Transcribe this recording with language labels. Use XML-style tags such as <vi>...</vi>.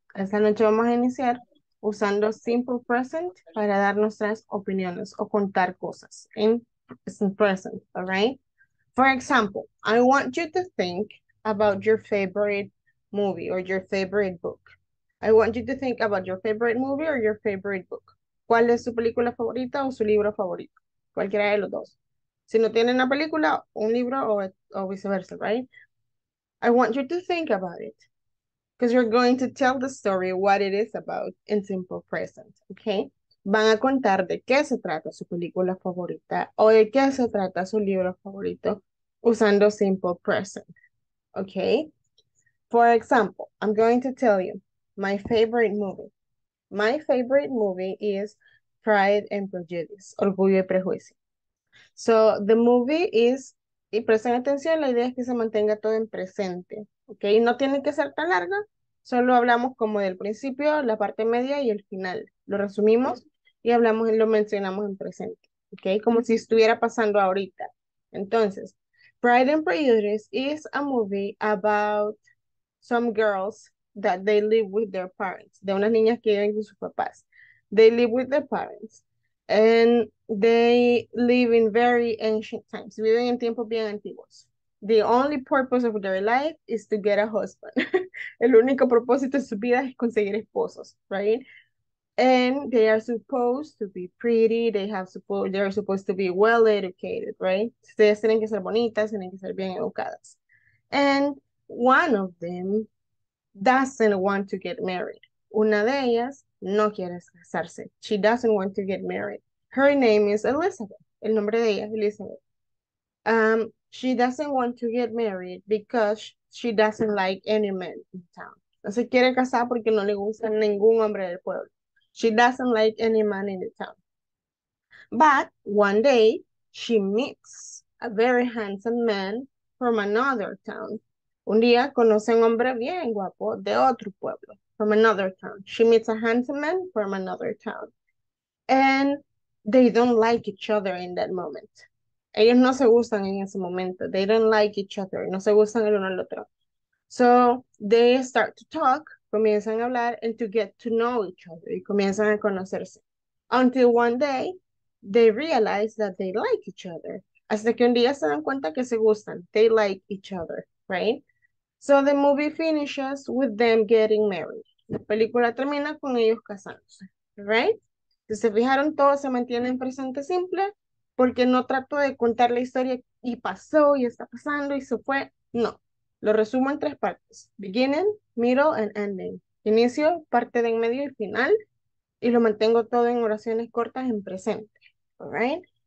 <es>Esta noche vamos a iniciar usando simple present para dar nuestras opiniones o contar cosas en</es> <en>present, present, all right? For example, I want you to think about your favorite movie or your favorite book. I want you to think about your favorite movie or your favorite book.</en> <es>¿Cuál es su película favorita o su libro favorito? Cualquiera de los dos. Si no tienen una película, un libro o viceversa, right?</es> <en>I want you to think about it. Because you're going to tell the story what it is about in simple present, okay?</en> <es>Van a contar de qué se trata su película favorita o de qué se trata su libro favorito usando simple present, okay?</es> <en>For example, I'm going to tell you my favorite movie. My favorite movie is Pride and Prejudice, Orgullo y Prejuicio. So, the movie is,</en> <es>y presten atención, la idea es que se mantenga todo en presente, ¿ok? No tiene que ser tan larga, solo hablamos como del principio, la parte media y el final. Lo resumimos y hablamos y lo mencionamos en presente, ¿ok? Como si estuviera pasando ahorita. Entonces,</es> <en>Pride and Prejudice is a movie about some girls that they live with their parents,</en> <es>de unas niñas que viven con sus papás.</es> <en>They live with their parents. And they live in very ancient times.</en> <es>Viven en tiempos bien antiguos.</es> <en>The only purpose of their life is to get a husband.</en> <es>El único propósito de su vida es conseguir esposos,</es> <en>right? And they are supposed to be pretty. They are supposed to be well educated, right?</en> <es>Ustedes tienen que ser bonitas, tienen que ser bien educadas.</es> <en>And one of them doesn't want to get married.</en> <es>Una de ellas no quiere casarse.</es> <en>She doesn't want to get married. Her name is Elizabeth.</en> <es>El nombre de ella es Elizabeth.</es> <en>She doesn't want to get married because she doesn't like any man in town.</en> <es>No se quiere casar porque no le gusta ningún hombre del pueblo.</es> <en>She doesn't like any man in the town. But one day, she meets a very handsome man from another town.</en> <es>Un día conoce a un hombre bien guapo de otro pueblo.</es> <en>From another town. She meets a handsome man from another town. And they don't like each other in that moment.</en> <es>Ellos no se gustan en ese momento.</es> <en>They don't like each other.</en> <es>No se gustan el uno al otro.</es> <en>So they start to talk,</en> <es>comienzan a hablar,</es> <en>and to get to know each other.</en> <es>Y comienzan a conocerse.</es> <en>Until one day, they realize that they like each other.</en> <es>Hasta que un día se dan cuenta que se gustan.</es> <en>They like each other, right? So the movie finishes with them getting married.</en> <es>La película termina con ellos casándose, right? Si se fijaron, todo se mantiene en presente simple porque no trato de contar la historia y pasó y está pasando y se fue. No, lo resumo en tres partes.</es> <en>Beginning, middle, and ending.</en> <es>Inicio, parte de en medio y final. Y lo mantengo todo en oraciones cortas en presente, all right?</es>